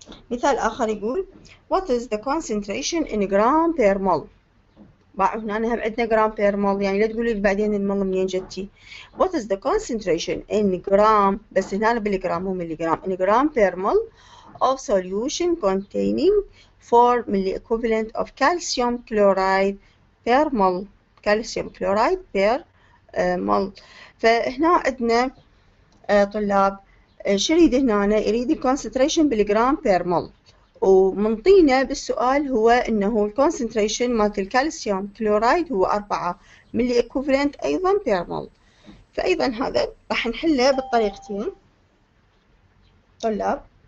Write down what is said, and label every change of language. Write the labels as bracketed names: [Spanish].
[Arabic] مثال اخر يقول [English] what is the concentration in gram per mol. [Arabic] بعد هنا هم عندنا جرام بير مول، يعني لا تقولي لي بعدين المول منين جتي. [English] what is the concentration in gram، [Arabic] بس هنا بالجرام مو مليجرام، [English] in gram per mol of solution containing 4 milli equivalent of calcium chloride per mol. calcium chloride per mol. [Arabic] فهنا عندنا طلاب شو يريد هنا؟ يريد الكونسنتريشن بالجرام بير مول، ومنطينا بالسؤال هو انه الكونسنتريشن مالت الكالسيوم كلورايد هو 4 ملي اكوفلنت ايضا بير مول. فايضا هذا راح نحله بالطريقتين طلاب.